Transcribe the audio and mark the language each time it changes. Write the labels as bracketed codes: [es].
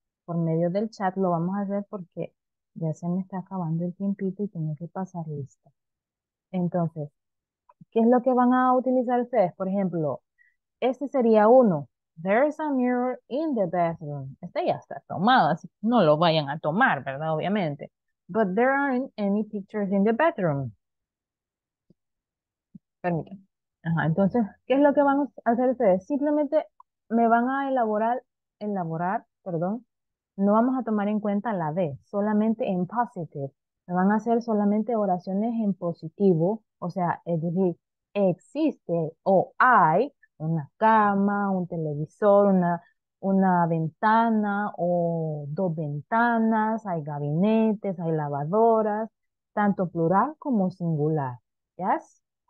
[es] Por medio del chat lo vamos a hacer porque ya se me está acabando el tiempito y tengo que pasar lista. Entonces, ¿qué es lo que van a utilizar ustedes? Por ejemplo, este sería uno. [en] There is a mirror in the bathroom. [es] Este ya está tomado, así que no lo vayan a tomar, ¿verdad? Obviamente. [en] But there aren't any pictures in the bathroom. [es] Permítanme. Ajá, entonces, ¿qué es lo que van a hacer ustedes? Simplemente me van a elaborar, no vamos a tomar en cuenta la D, solamente en positive. Me van a hacer solamente oraciones en positivo, o sea, es decir, existe o hay una cama, un televisor, una ventana o dos ventanas, hay gabinetes, hay lavadoras, tanto plural como singular. ¿Ya? ¿Yes?